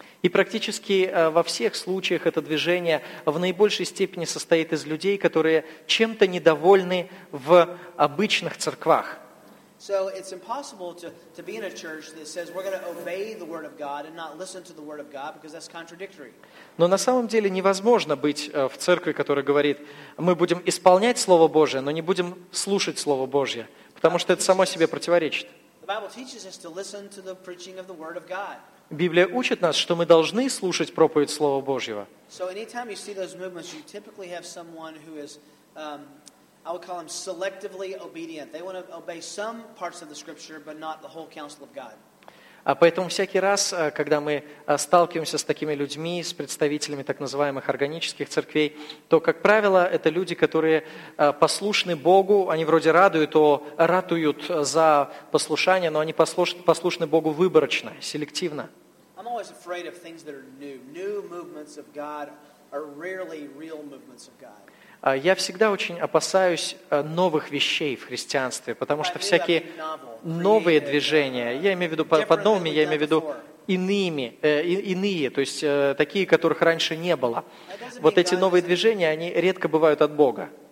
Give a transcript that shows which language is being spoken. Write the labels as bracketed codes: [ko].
[ru] И практически во всех случаях это движение в наибольшей степени состоит из людей, которые чем-то недовольны в обычных церквах. [en] So it's impossible to be in a church that says we're going to obey the word of God and not listen to the word of God, because that's contradictory. [ru] Но на самом деле невозможно быть в церкви, которая говорит, мы будем исполнять Слово Божие, но не будем слушать Слово Божье, потому что это само себе противоречит. [en] The Bible teaches us to listen to the preaching of the word of God. [ru] Библия учит нас, что мы должны слушать проповедь Слова Божьего. [en] So anytime you see those movements, you typically have someone who is I would call them selectively obedient. They want to obey some parts of the scripture, but not the whole counsel of God. [ru] А поэтому всякий раз, когда мы сталкиваемся с такими людьми, с представителями так называемых органических церквей, то, как правило, это люди, которые послушны Богу, они вроде ратуют за послушание, но они послушны Богу выборочно, селективно. [en] I'm always afraid of things that are new. New movements of God are rarely real movements of God. [ru] Я всегда очень опасаюсь новых вещей в христианстве, потому что всякие новые движения, я имею в виду под новыми, я имею в виду иные, то есть такие, которых раньше не было. Вот эти новые движения, они редко бывают от Бога.